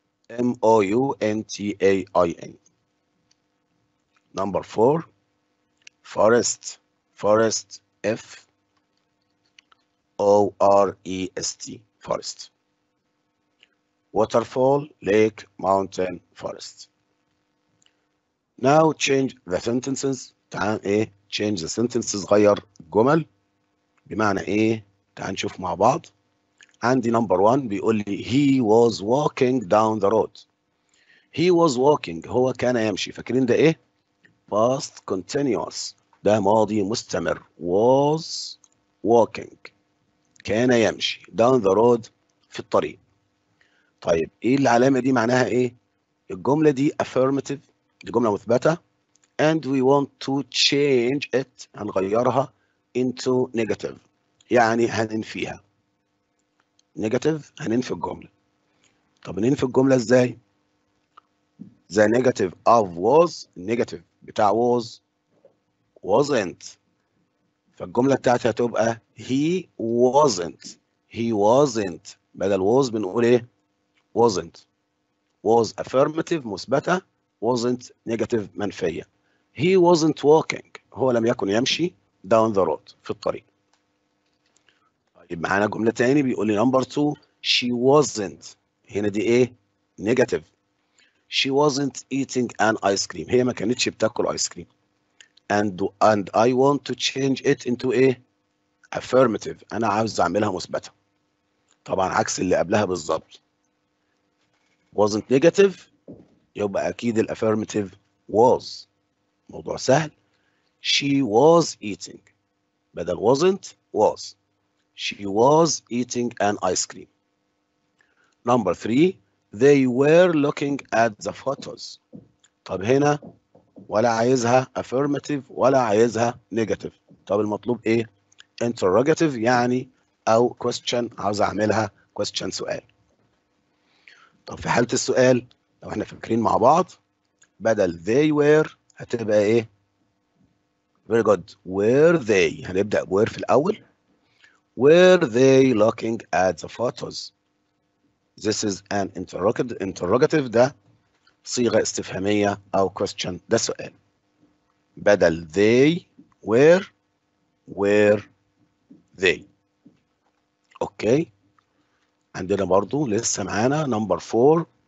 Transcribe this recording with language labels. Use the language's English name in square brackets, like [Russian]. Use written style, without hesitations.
[English] M-O-U-N-T-A-I-N. Number four, forest, forest, F-O-R-E-S-T, forest. Waterfall, lake, mountain, forest. Now change the sentences. [Arabic] تعال ايه [English] change the sentences [Arabic] غير الجمل بمعنى ايه. تعال نشوف مع بعض. عندي number one بيقول لي [English] he was walking down the road. He was walking [Arabic] هو كان يمشي. فاكرين ده ايه؟ past continuous ده ماضي مستمر. [English] was walking [Arabic] كان يمشي [English] down the road [Arabic] في الطريق. طيب ايه العلامة دي معناها ايه؟ الجملة دي [English] affirmative [Arabic] دي جملة مثبتة. [English] And we want to change it [Arabic] هنغيرها [English] into negative [Arabic] يعني هننفيها. Negative هننفي الجملة. طب ننفي الجملة ازاي؟ [English] The negative of was negative بتاع was wasn't. [Arabic] فالجملة بتاعتها هتبقى [English] he wasn't. He wasn't [Arabic] بدل [English] was [Arabic] بنقول ايه؟ [English] wasn't. Was affirmative مثبتة. Wasn't negative منفية. He wasn't walking. [Arabic] هو لم يكن يمشي [English] down the road [Arabic] في الطريق. طيب معانا جملة تاني بيقول لي [English] number two. She wasn't. [Arabic] هنا دي ايه؟ [English] negative. She wasn't eating an ice cream. [Arabic] هي ما كانتش بتاكل [English] ice cream. And I want to change it into a affirmative. [Arabic] انا عاوز اعملها مثبتة. طبعا عكس اللي قبلها بالظبط. [English] Wasn't negative. [Arabic] يبقى أكيد الأفيرمتيف was. موضوع سهل. [English] She was eating [Arabic] بدل [English] wasn't was. She was eating an ice cream. Number three. They were looking at the photos. [Arabic] طب هنا ولا عايزها affirmative ولا عايزها negative. طب المطلوب إيه؟ [English] interrogative [Arabic] يعني أو question عاوز أعملها question سؤال. طب في حالة السؤال لو احنا فاكرين مع بعض بدل [English] they were [Arabic] هتبقى ايه؟ [English] very good. Were they [Arabic] هنبدأ where في الأول. [English] Were they looking at the photos? This is an interrogative [Arabic] ده صيغة استفهامية أو [English] question [Arabic] ده سؤال. بدل [English] they were they. [Arabic] أوكي عندنا برضو لسه معانا [English] number four.